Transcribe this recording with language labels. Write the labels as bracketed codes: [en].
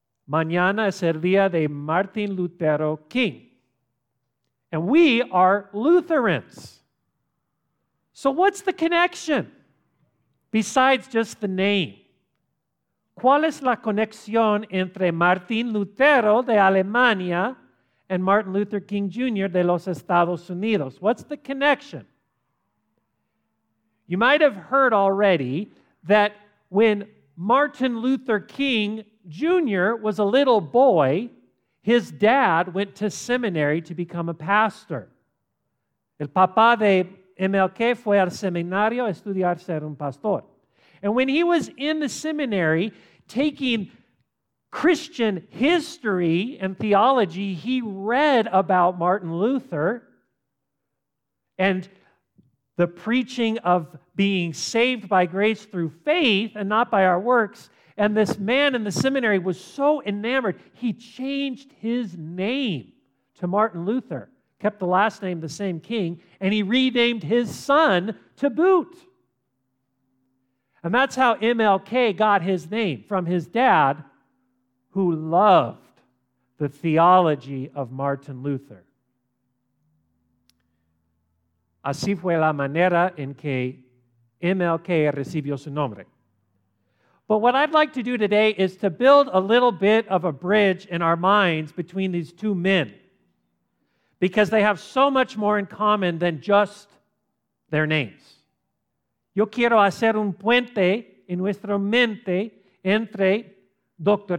[es] Mañana es el día de Martin Lutero King. [en] And we are Lutherans. So what's the connection besides just the name? [es] ¿Cuál es la conexión entre Martin Lutero de Alemania and Martin Luther King Jr. de los Estados Unidos? [en] What's the connection? You might have heard already that when Martin Luther King Jr. was a little boy, his dad went to seminary to become a pastor. [es] El papá de MLK fue al seminario a estudiar ser un pastor. [en] And when he was in the seminary taking Christian history and theology, he read about Martin Luther and the preaching of being saved by grace through faith and not by our works. And this man in the seminary was so enamored, he changed his name to Martin Luther, kept the last name the same King, and he renamed his son to boot. And that's how MLK got his name, from his dad, who loved the theology of Martin Luther. [es] Así fue la manera en que MLK recibió su nombre. [en] But what I'd like to do today is to build a little bit of a bridge in our minds between these two men, because they have so much more in common than just their names. [es] Yo quiero hacer un puente en nuestra mente entre Dr.